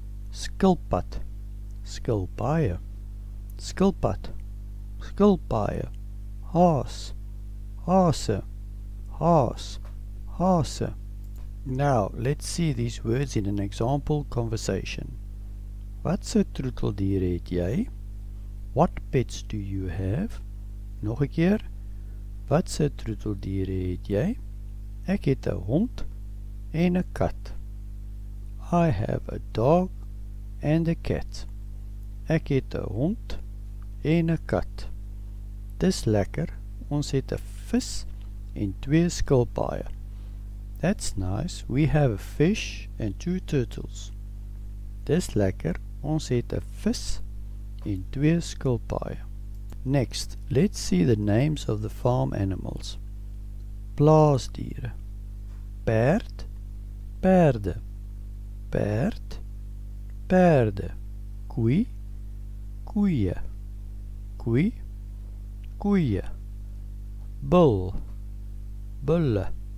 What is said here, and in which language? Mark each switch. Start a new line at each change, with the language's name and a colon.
Afrikaans: Skilpad, skilpaaie, skilpad. Skilpaaie, haas, haase, haas, haase.
English: Now, let's see these words in an example conversation.
Afrikaans: Watse troeteldier het jy?
English: What pets do you have?
Afrikaans: Nog een keer. Watse troeteldier het jy? Ek het 'n hond en 'n kat.
English: I have a dog and a cat.
Afrikaans: Ek het 'n hond en 'n kat. Dis lekker, ons het 'n vis en 2 skilpaaie.
English: That's nice, we have a fish and 2 turtles.
Afrikaans: Dis lekker, ons het 'n vis en 2 skilpaaie.
English: Next, let's see the names of the farm animals.
Afrikaans: Plaasdiere. Perd, perde. Perd, perde. Koe, koeie. Koe, koeie. Bul, bulle.